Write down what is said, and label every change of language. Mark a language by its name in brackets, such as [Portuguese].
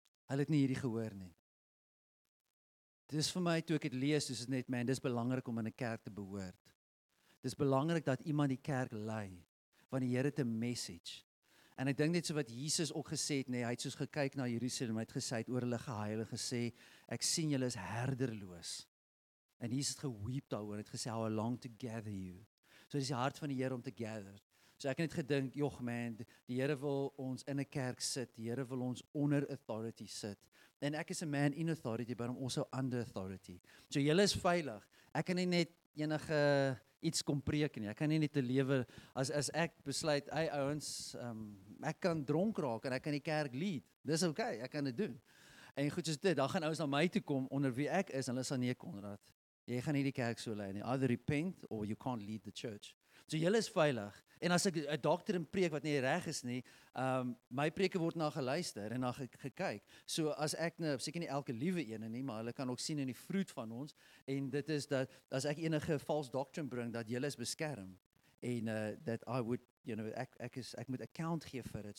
[Afrikaans] Hulle het nie hierdie gehoor nie. Dis vir my, toe ek het lees, is dit net, man, dis belangrik om in die kerk te behoort. Dis belangrik dat iemand die kerk lei, want die Here het 'n message. En ek dink net so wat Jesus ook gesê het, hy het soos gekyk na Jerusalem, hy het gesê, oor hulle gehuil, gesê, ek sien julle is herderloos. En Jesus het geweep daaroor, het gesê, [English] how long to gather you. [Afrikaans] So dis die hart van die Here om te gather. So ek het gedink, joh man, die Here wil ons in 'n kerk sit, die Here wil ons onder authority sit. En ek is [English] a man in authority, but I'm also under authority. [Afrikaans] So julle is veilig. Ek kan nie net enige iets kom preek nie. Ek kan nie net te lewe, as ek besluit, hey ouens, ek kan dronk raak en ek kan die kerk lead. Dis okay, ek kan dit doen. En goed is dit, dan gaan ouens na my toe kom onder wie ek is, en hulle sal nee, Konrad, jy gaan nie die kerk so lei nie. [English] Either repent or you can't lead the church. [Afrikaans] So julle is veilig. En as ek 'n doctrine preek wat nie reg is nie, my preke word na geluister en na gekyk. So as ek nou, seker nie elke liewe ene nie, maar hulle kan ook sien in die vruit van ons, en dit is dat as ek enige vals doctrine bring, dat julle is beskerm. En [English] that I would, you know, [Afrikaans] ek moet account gee vir dit.